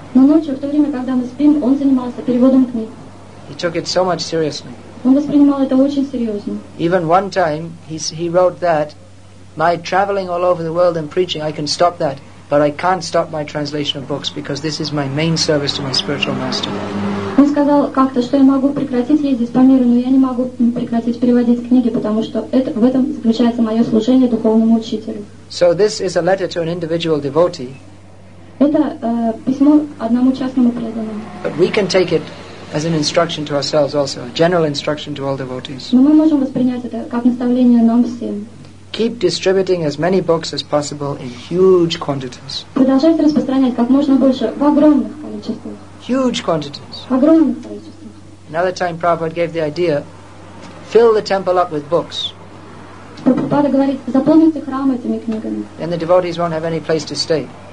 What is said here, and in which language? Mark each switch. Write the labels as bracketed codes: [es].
[en] He took it so much seriously. Even one time, he wrote that, my traveling all over the world and preaching, I can stop that, but I can't stop my translation of books because this is my main service to my spiritual master. [ru] Он сказал как-то, что я могу прекратить ездить по миру, но я не могу прекратить переводить книги, потому что это, в этом заключается мое служение духовному учителю. [en] So this is a letter to an individual devotee. [ru] Это письмо одному частному преданному. [en] But we can take it as an instruction to ourselves also, a general instruction to all devotees. [ru] Но мы можем воспринять это как наставление нам всем. [en] Keep distributing as many books as possible in huge quantities. [ru] Продолжайте распространять как можно больше в огромных количествах. [en] Huge quantities. Another time Prabhupada gave the idea, fill the temple up with books. Then the devotees won't have any place to stay.